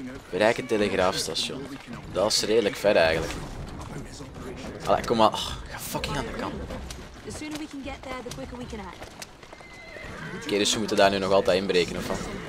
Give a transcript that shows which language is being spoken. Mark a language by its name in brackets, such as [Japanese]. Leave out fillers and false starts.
[Dutch] Bereik het telegraafstation. Dat is redelijk ver, eigenlijk. Allee, kom maar. Oh, ga fucking aan de kant. [English] The sooner we can get there, the quicker we can act. [Dutch] Oké, okay, dus we moeten daar nu nog altijd inbreken, of wat?